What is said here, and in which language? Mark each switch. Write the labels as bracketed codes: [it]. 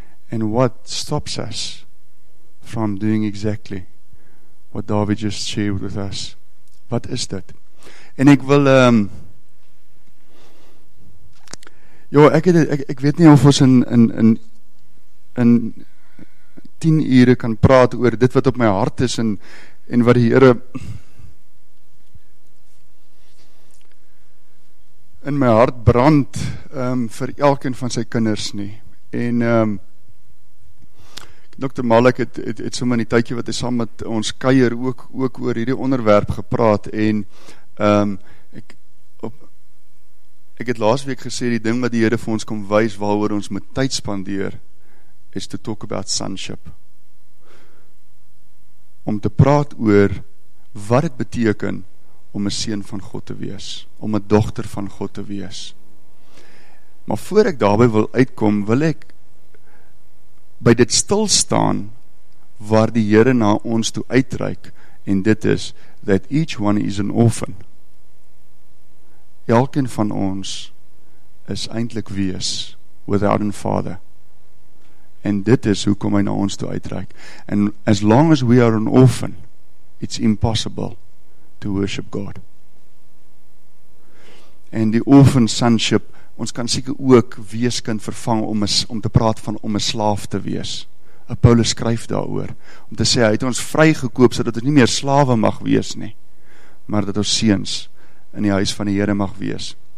[en] And what stops us from doing exactly what David just shared with us? [af] Wat is dit? En ek wil ek weet nie of ons in 10 ure kan praat oor dit wat op my hart is en wat die Here in my hart brand vir elkeen van sy kinders nie. En Dr. Malik het sommer in die tydjie wat hy saam met ons kuier ook oor hierdie onderwerp gepraat en ek het laas week gesê die ding wat die Here vir ons kom wys waaroor ons moet tyd spandeer is [en] to talk about sonship. [af] Om te praat oor wat het beteken om 'n seun van God te wees, om 'n dogter van God te wees. Maar voor ek daarby wil uitkom, wil ek by dit stil staan waar die Here na ons toe uitreik en dit is [en] that each one is an orphan. [af] Elkeen van ons is eintlik wees [en] without a father. [af] En dit is hoekom hy na ons toe uitreik. [en] And as long as we are an orphan, it's impossible to worship God. [af] En die orphan sonship, ons kan seker ook weeskind vervang om te praat van om 'n slaaf te wees. Paulus skryf daaroor om te sê hy het ons vrygekoop sodat ons nie meer slawe mag wees nie, maar dat ons seuns in die huis van die Here mag wees.